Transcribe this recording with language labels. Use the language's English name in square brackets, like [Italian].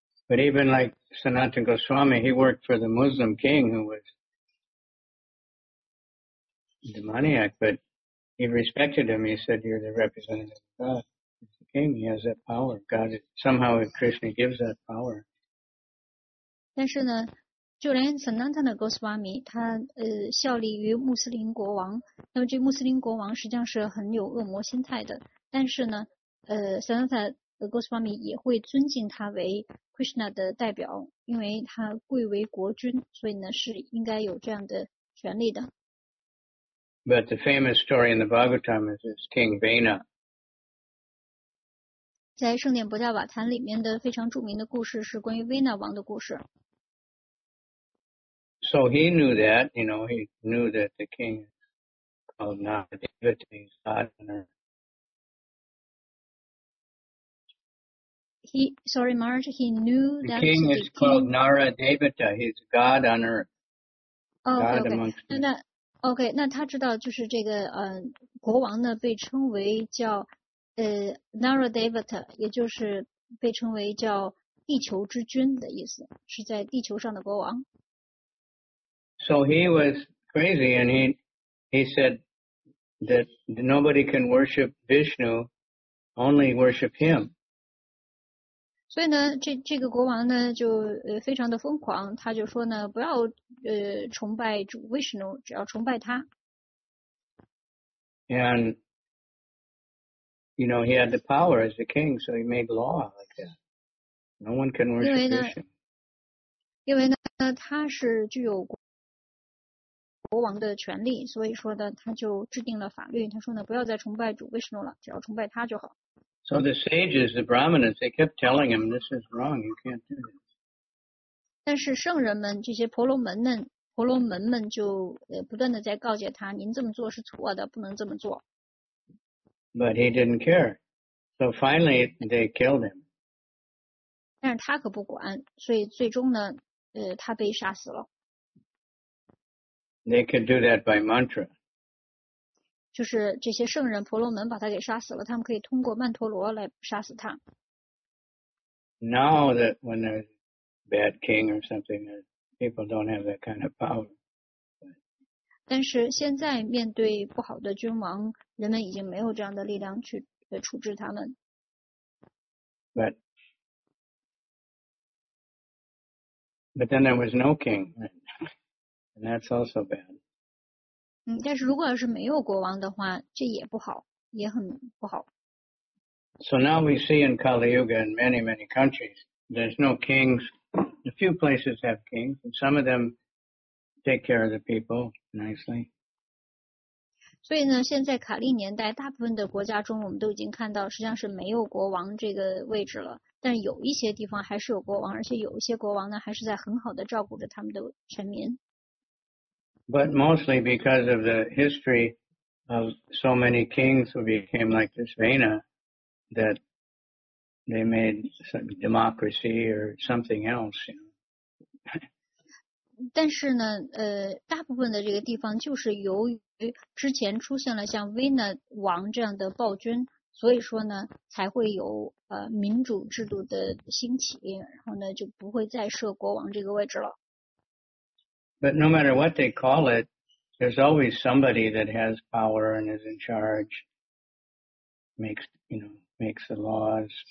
[English] But even like Sanatana Goswami, he worked for the Muslim king who was demoniac, but he respected him. He said, you're the representative of God. He's the king. He has that power. God, somehow Krishna gives that power. [Chinese] 但是呢，就连 Sanatana Goswami, 他效力于穆斯林国王，那么这穆斯林国王实际上是很有恶魔心态的，但是呢，Sanatana Goswami 也会尊敬他为Krishna 的代表，因为他贵为国君，所以呢是应该有这样的权利的。 [English] But the famous story in the Bhagavatam is this King Vena. [Chinese] 在圣殿博迦瓦坛里面的非常著名的故事是关于 Vena 王的故事。 [English] So he knew that, you know, he knew that the king is called Nagadevata, he's God on earth. He knew that the king is called Nara Devata. He's God on earth. Oh, okay. [Chinese] Okay. 那他知道就是这个国王呢被称为叫Nara Devata, 也就是被称为叫地球之君的意思，是在地球上的国王。 [English] So he was crazy, and he said that nobody can worship Vishnu, only worship him. [Chinese] 所以呢，这个国王呢，就非常的疯狂，他就说呢，不要崇拜主 Vishnu， 只要崇拜他。 [English] And you know he had the power as the king, so he made law like that. No one can worship Vishnu. [Chinese] 因为呢，他是具有国王的权力，所以说呢，他就制定了法律。他说呢，不要再崇拜主 Vishnu 了，只要崇拜他就好。 [English] So the sages, the brahmanas, they kept telling him, "This is wrong. You can't do this." [Chinese] 但是圣人们这些婆罗门们就不断的在告诫他，您这么做是错的，不能这么做。 [English] But he didn't care. So finally, they killed him. [Chinese] 但是他可不管，所以最终呢，他被杀死了。 [English] They could do that by mantra. [Chinese] 就是这些圣人婆罗门把他给杀死了，他们可以通过曼陀罗来杀死他。 [English] Now that when there's a bad king or something, people don't have that kind of power. [Chinese] 但是现在面对不好的君王，人们已经没有这样的力量去处置他们。 [English] But then there was no king, and that's also bad. [Chinese] 但是如果要是没有国王的话，这也不好，也很不好。 [English] So now we see in Kali Yuga in many, many countries, there's no kings. A few places have kings, and some of them take care of the people nicely. [Chinese] 所以呢，现在卡利年代，大部分的国家中，我们都已经看到，实际上是没有国王这个位置了。但是有一些地方还是有国王，而且有一些国王呢，还是在很好的照顾着他们的臣民。 [English] But mostly because of the history of so many kings who became like this Vena, that they made some democracy or something else. You know. [Chinese] 但是呢，大部分的这个地方就是由于之前出现了像 Vena 王这样的暴君，所以说呢，才会有民主制度的兴起，然后呢，就不会再设国王这个位置了。 [English] But no matter what they call it, there's always somebody that has power and is in charge, makes the laws.